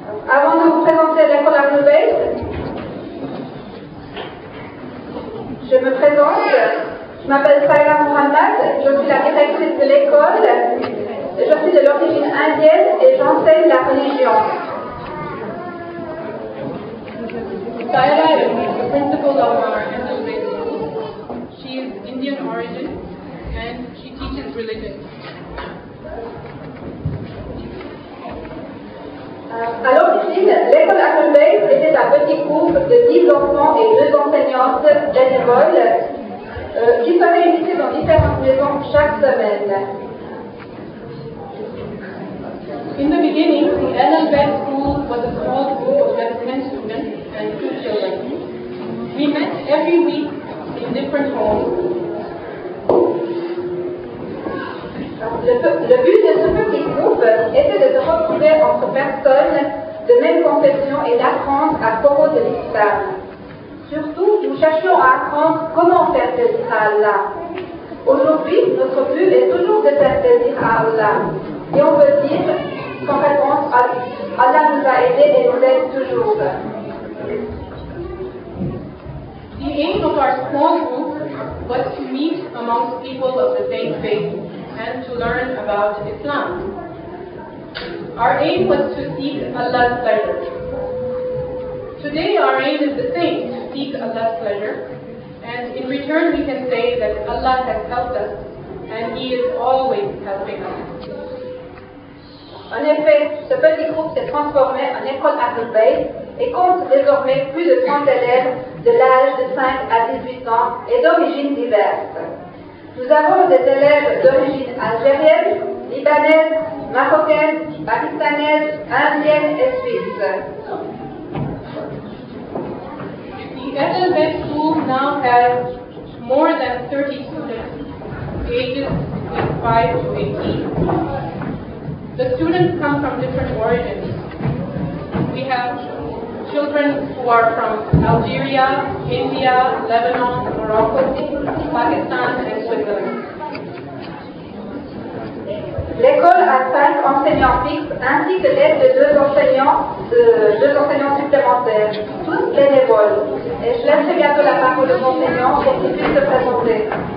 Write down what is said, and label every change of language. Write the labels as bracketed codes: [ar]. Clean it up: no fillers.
[fr] Avant de vous présenter l'école Al-Bayt, je me présente. Je m'appelle Sayyida Muhammad, je suis la directrice de l'école. Et je suis de l'origine indienne et j'enseigne la religion. [en] Sayyida is the principal of our Al-Bayt school. She is Indian origin and she teaches religion. [fr] À l'origine, l'école Al-Bayt était un petit groupe de 10 enfants et 2 enseignantes bénévoles qui se réunissaient dans différentes maisons chaque semaine. [en] In the beginning, the Al-Bayt school was a small group of resident students and 2 children. We met every week in different homes. [fr] Le but de ce petit groupe était de se retrouver entre personnes de même confession et d'apprendre à propos de l'islam. Surtout, nous cherchions à apprendre comment faire plaisir à Allah. Aujourd'hui, notre but est toujours de faire plaisir à Allah. Et on peut dire qu'en réponse, Allah nous a aidés et nous aide toujours. [en] The aim of our small group was to meet amongst people of the same faith and to learn about Islam. Our aim was to seek Allah's pleasure. Today our aim is the same, to seek Allah's pleasure. And in return we can say that Allah has helped us and He is always helping us. [fr] En effet, ce petit groupe s'est transformé en école Al-Bayt et compte désormais plus de 30 élèves de l'âge de 5 à 18 ans et d'origines diverses. Nous avons des élèves d'origine algérienne, libanaise, marocaine, pakistanaise, indienne et suisse. [en] The Al-Bayt school now has more than 30 students, ages between 5 to 18. The students come from different origins. We have children who are from Algeria, India, Lebanon, Morocco, Pakistan, and Switzerland. [fr] L'école a 5 enseignants fixes ainsi que l'aide de 2 enseignants supplémentaires, tous bénévoles. Et je laisse bientôt la parole aux enseignants pour qu'ils puissent se présenter.